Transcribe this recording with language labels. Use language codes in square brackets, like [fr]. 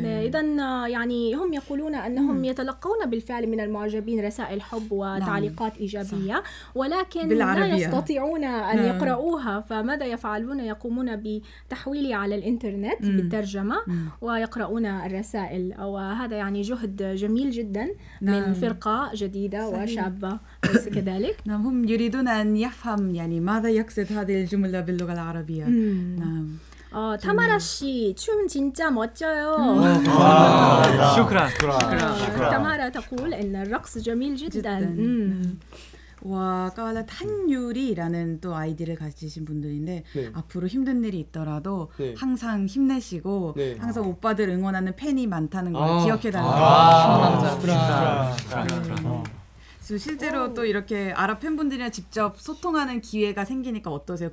[ko] 네, 일단 [ar] يعني هم يقولون أنهم يتلقون بالفعل من المعجبين رسائل حب وتعليقات إيجابية، ولكن لا يستطيعون أن يقرؤوها، فماذا يفعلون؟ يقومون بتحويلها على الإنترنت بالترجمة ويقرؤون الرسائل، وهذا يعني جهد جميل جدا من فرقة جديدة وشابة. كذلك. نعم هم يريدون أن يفهم يعني ماذا يقصد هذه الجملة باللغة العربية. نعم. [ko] 타마라 씨 춤 진짜 멋져요. [ar] 슈크라. 타마라 تقول إن الرقص جميل جدا. [ko] 와, 까와라 탄유리라는 또 아이디를 가지신 분들인데 네. 앞으로 힘든 일이 있더라도 네. 항상 힘내시고 네. 항상 오빠들 응원하는 팬이 많다는 걸 기억해 달라고. [ar] 슈크라. [ko] 실제로 또 이렇게 아랍 팬분들이랑 직접 소통하는 기회가 생기니까 어떠세요?